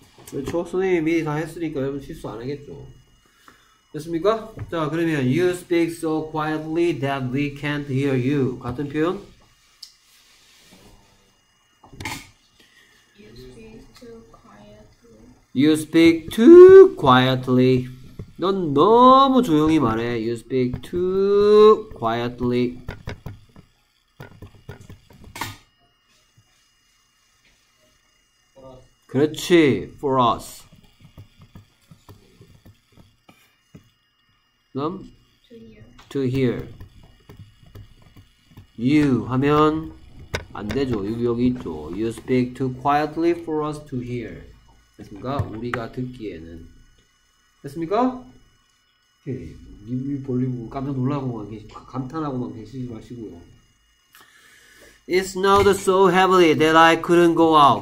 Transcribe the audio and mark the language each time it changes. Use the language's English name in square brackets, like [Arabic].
[Korean] 그렇죠? 선생님이 미리 다 했으니까 여러분 실수 안 하겠죠. 됐습니까? 자, 그러면 [English] You speak so quietly that we can't hear you. [Korean] 같은 표현? [English] You speak too quietly. You speak too quietly. [Korean] 넌 너무 조용히 말해. [English] You speak too quietly. [Korean] 그렇지, [English] for us. [Korean] 그럼? [English] To hear. [Korean] You 하면 안 되죠. 여기, 여기 있죠. [English] You speak too quietly for us to hear. [Korean] 됐습니까? 우리가 듣기에는. 됐습니까? 이렇게 입 벌리고 깜짝 놀라고만 감탄하고만 계시지 마시고요. [English] It snowed so heavily that I couldn't go out.